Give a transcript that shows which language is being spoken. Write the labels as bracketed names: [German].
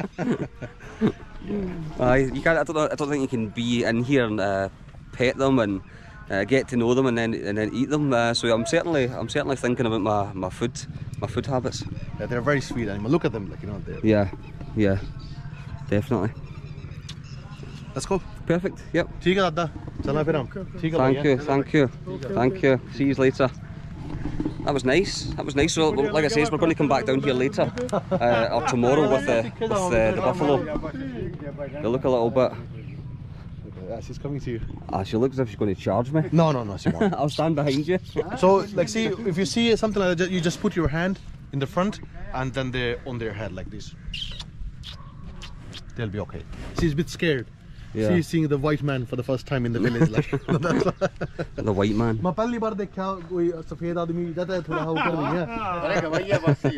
[English] Yeah. You can't, I don't think you can be in here and pet them and get to know them and then eat them. So I'm certainly thinking about my food habits. Yeah, they're a very sweet animal. Look at them, like, you know, they're... Yeah, definitely. Let's go. Perfect. Yep. [Hindi] ठीक है दादा. चला फिर हम. ठीक है. [English] Thank you. See you later. That was nice. So, like I say, we're going to come back down here later or tomorrow with the buffalo. They look a little bit. She's coming to you. She looks as if she's going to charge me. No, she won't. I'll stand behind you. So, like, see, if you see something like that, you just put your hand in the front and then they're on their head like this. They'll be okay. She's a bit scared. Yeah. She's seeing the white man for the first time in the village. Like, the white man. [Hindi] मैं पहली बार देखा कोई सफेद आदमी ज़्यादा थोड़ा how कर दिया.